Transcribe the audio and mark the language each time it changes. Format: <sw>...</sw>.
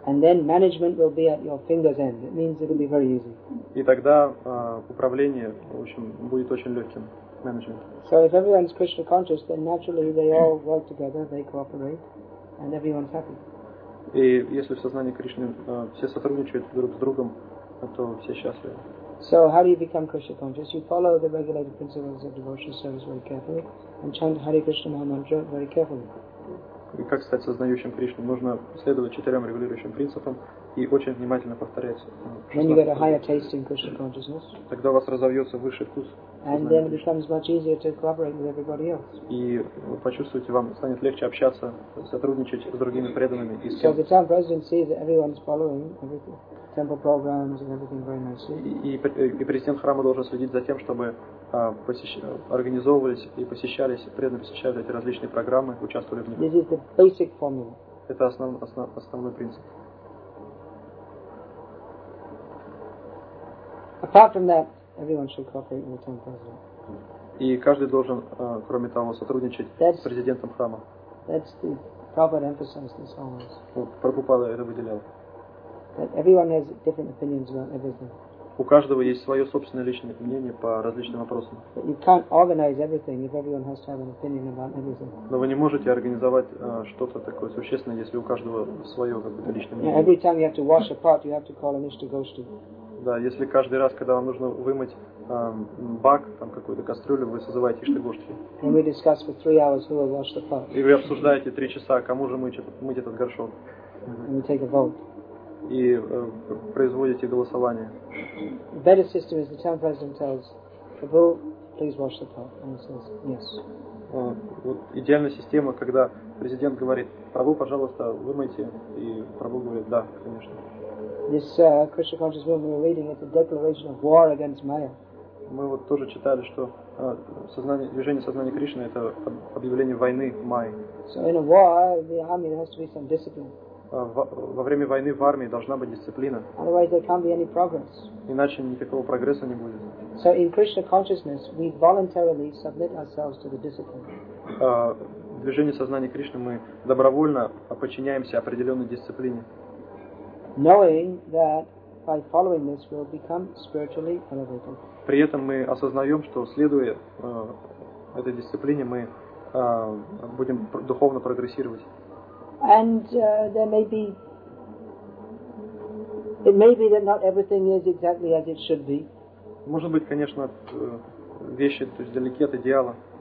<en>And then management will be at your fingers' end. It means it'll be very easy.</en> <ru>И тогда управление, в общем, будет очень легким.</ru> <en>Management. So if everyone's Krishna conscious, then naturally they all work together, they cooperate, and everyone's happy.</en> <ru>И если в сознании Кришны все сотрудничают друг с другом, то все счастливы.</ru> <en>So how do you become Krishna conscious? You follow the regulated principles of devotional service very carefully and chant Hare Krishna Maha Mantra very carefully.</en> <ru>И как стать сознающим Кришну? Нужно следовать четырем регулирующим принципам и очень внимательно повторять.</ru> <en>Then you get a higher taste in Krishna consciousness.</en> <ru>Тогда у вас разовьется высший вкус.</ru> <en>And then it becomes much easier to collaborate with everybody else.</en> <ru>И вы почувствуете, вам станет легче общаться, сотрудничать с другими преданными.</ru> <en>So the town president sees that everyone is following everything. Temple programs and everything very nicely.</en> <ru>И президент храма должен следить за тем, чтобы организовывались и посещались, преданно посещали эти различные программы, участвовали в них.</ru> <en>This is the basic formula.</en> <ru>Это основной принцип.</ru> <en>Apart from that, everyone should cooperate with the temple president.</en> <ru>И каждый должен, кроме того, сотрудничать с президентом храма.</ru> <en>That's the Prabhupada emphasized this always.</en> <ru>Прабхупада это выделял.</ru> <en>That everyone has different opinions about everything.</en> <ru>У каждого есть свое собственное личное мнение по различным вопросам.</ru> <en>But you can't organize everything if everyone has to have an opinion about everything.</en> <ru>Но вы не можете организовать что-то такое существенное, если у каждого свое какое-то личное мнение.</ru> <en>Every time you have to wash a pot, you have to call an Ishta Goshti.</en> <ru>Да, если каждый раз, когда вам нужно вымыть бак, там какую-то кастрюлю, вы созываете Ishta Goshti.</ru> <en>And we discuss for 3 hours who will wash the pot.</en> <ru>И вы обсуждаете 3 часа, кому же мыть этот горшок.</ru> <en>And we take a vote.</en> <ru>И производите голосование.</ru> <en>The better system is the town president tells Prabhu, please wash the pot, and he says yes.</en> <ru>вот идеальная система, когда президент говорит: «Прабу, пожалуйста, вымойте», и Прабу говорит: «Да, конечно».</ru> <en>This Krishna conscious movement we're reading is a declaration of war against Maya.</en> <ru>Мы вот тоже читали, что сознание, движение сознания Кришны — это объявление войны Майи.</ru> <en>So in a war, the army has to be some discipline.</en> <ru>Во время войны в армии должна быть дисциплина.</ru> <en>Otherwise, there can't be any progress.</en> <ru>Иначе никакого прогресса не будет.</ru> <en>So in Krishna consciousness, we voluntarily submit ourselves to the discipline.</en> <ru>В движении сознания Кришны мы добровольно подчиняемся определенной дисциплине.</ru> <en>Knowing that by following this, we'll become spiritually elevated.</en> <ru>При этом мы осознаем, что следуя этой дисциплине, мы будем духовно прогрессировать.</ru> <en>And it may be that not everything is exactly as it should be.</en> <ru>Может быть, конечно, вещи, то есть далеки от идеала.</ru>